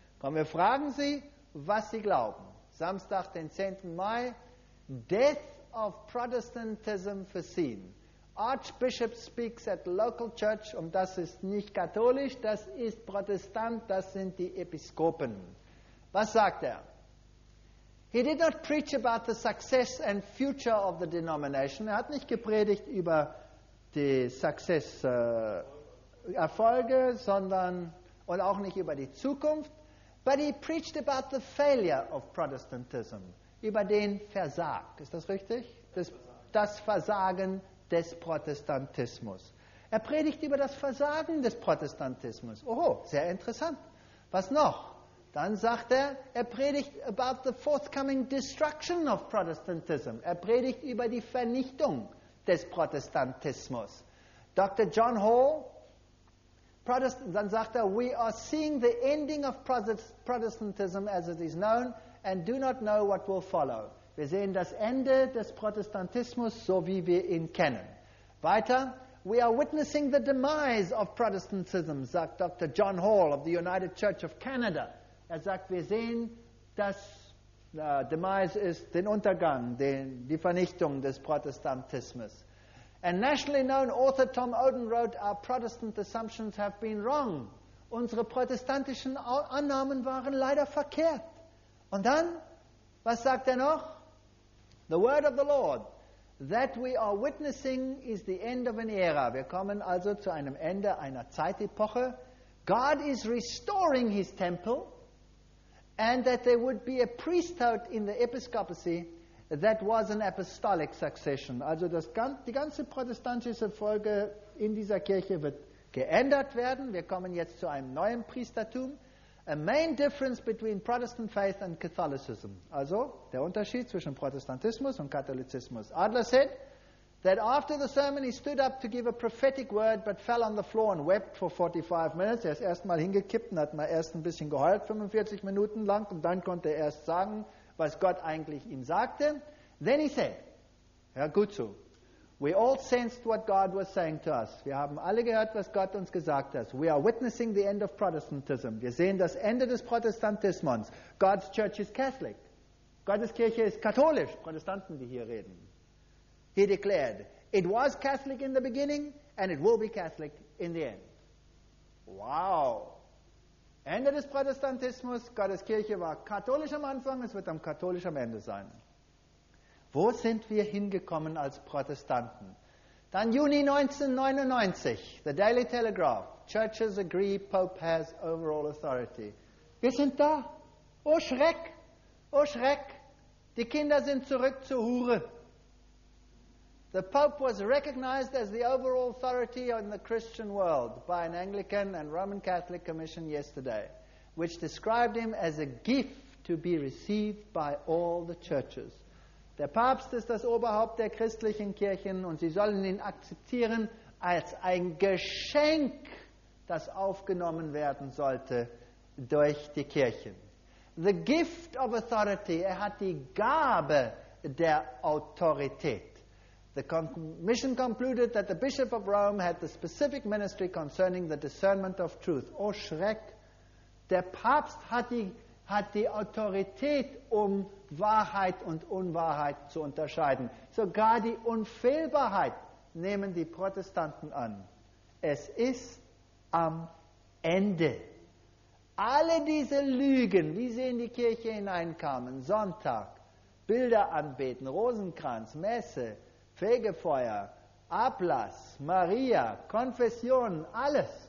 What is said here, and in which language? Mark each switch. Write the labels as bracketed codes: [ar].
[de] Komm, wir fragen Sie, was Sie glauben. Samstag, den 10. [en] Mai, Death of Protestantism for Sin. Archbishop speaks at local church, [de] und das ist nicht katholisch, das ist Protestant, das sind die Episkopen. Was sagt er? [en] He did not preach about the success and future of the denomination. [de] Er hat nicht gepredigt über die Success-Erfolge, sondern und auch nicht über die Zukunft. [en] But he preached about the failure of Protestantism. [de] Über den Versagen. Ist das richtig? Das Versagen des Protestantismus. Er predigt über das Versagen des Protestantismus. Oho, sehr interessant. Was noch? Dann sagt er, er predigt [en] about the forthcoming destruction of Protestantism. [de] Er predigt über die Vernichtung des Protestantismus. [en] Dr. John Hall, [de] dann sagt er, [en] we are seeing the ending of Protestantism as it is known, and do not know what will follow. [de] Wir sehen das Ende des Protestantismus, so wie wir ihn kennen. [en] Weiter, we are witnessing the demise of Protestantism, sagt Dr. John Hall of the United Church of Canada. [de] Er sagt, wir sehen, dass demise ist den Untergang, die Vernichtung des Protestantismus. [en] And nationally known author Tom Oden wrote, our Protestant assumptions have been wrong. [de] Unsere protestantischen Annahmen waren leider verkehrt. Und dann, was sagt er noch? [en] The word of the Lord, that we are witnessing is the end of an era. [de] Wir kommen also zu einem Ende einer Zeitepoche. [en] God is restoring his temple and that there would be a priesthood in the episcopacy that was an apostolic succession. [de] Also das, die ganze protestantische Folge in dieser Kirche wird geändert werden. Wir kommen jetzt zu einem neuen Priestertum. [en] A main difference between Protestant faith and Catholicism. [de] Also, der Unterschied zwischen Protestantismus und Katholizismus. [en] Adler said that after the sermon he stood up to give a prophetic word but fell on the floor and wept for 45 minutes. [de] Er ist erstmal hingekippt und hat mal erst ein bisschen geheult 45 Minuten lang und dann konnte er erst sagen, was Gott eigentlich ihm sagte. [en] Then he said, [de] hör gut zu, [en] We all sensed what God was saying to us. [de] Wir haben alle gehört, was Gott uns gesagt hat. [en] We are witnessing the end of Protestantism. [de] Wir sehen das Ende des Protestantismus. [en] God's church is Catholic. [de] Gottes Kirche ist katholisch. Protestanten, die hier reden. [en] He declared, it was Catholic in the beginning and it will be Catholic in the end. [de] Wow. Ende des Protestantismus. Gottes Kirche war katholisch am Anfang. Es wird am katholischen Ende sein. Wo sind wir hingekommen als Protestanten? Dann Juni 1999, The Daily Telegraph. [en] Churches agree Pope has overall authority. [de] Wir sind da. Oh Schreck, oh Schreck. Die Kinder sind zurück zur Hure. [en] The Pope was recognized as the overall authority in the Christian world by an Anglican and Roman Catholic commission yesterday, which described him as a gift to be received by all the churches. [de] Der Papst ist das Oberhaupt der christlichen Kirchen und sie sollen ihn akzeptieren als ein Geschenk, das aufgenommen werden sollte durch die Kirchen. [en] The gift of authority, [de] er hat die Gabe der Autorität. [en] The commission concluded that the Bishop of Rome had the specific ministry concerning the discernment of truth. [de] Oh Schreck, der Papst hat die Autorität, um Wahrheit und Unwahrheit zu unterscheiden. Sogar die Unfehlbarkeit nehmen die Protestanten an. Es ist am Ende. Alle diese Lügen, wie sie in die Kirche hineinkamen, Sonntag, Bilder anbeten, Rosenkranz, Messe, Fegefeuer, Ablass, Maria, Konfessionen, alles.